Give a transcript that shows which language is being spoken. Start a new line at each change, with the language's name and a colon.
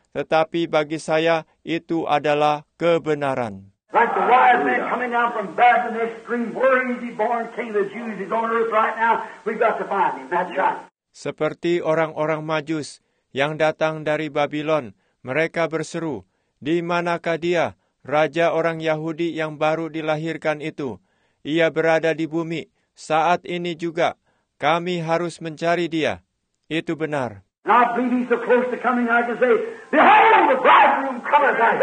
Indonesian: Tetapi bagi saya, itu adalah kebenaran.
English: Like the wise man coming down from Babylon, this stream, where is he born, king of the Jews, he's on earth right now, we've got to find him, that's right.
Indonesian: Seperti orang-orang Majus yang datang dari Babylon, mereka berseru, di manakah dia, raja orang Yahudi yang baru dilahirkan itu. Ia berada di bumi. Saat ini juga, kami harus mencari dia. Itu benar.
English: Now, please, he's so close to coming, I can say, behold, the bridegroom comes.